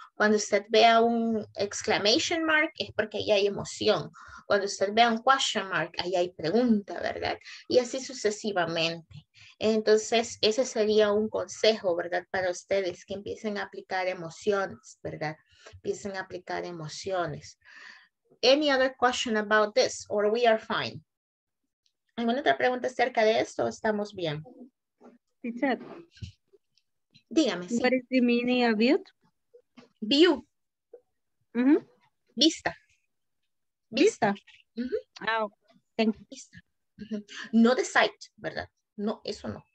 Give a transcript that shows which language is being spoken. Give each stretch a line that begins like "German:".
Spanish: Cuando usted vea un exclamation mark, es porque ahí hay emoción. Cuando usted vea un question mark, ahí hay pregunta, ¿verdad? Y así sucesivamente. Entonces, ese sería un consejo, ¿verdad? Para ustedes que empiecen a aplicar emociones, ¿verdad? Empiecen a aplicar emociones.
English: Any other question about this or we are fine?
Spanish: ¿Alguna otra pregunta acerca de esto o estamos bien?
English: Teacher.
Spanish: Dígame, sí.
English: What is the meaning of it? View. Mm-hmm.
Spanish: Vista. Vista. Mm-hmm.
English: Oh, thank you.
Spanish: Vista. Mm-hmm. No
English: the sight,
Spanish: ¿verdad? No, eso no.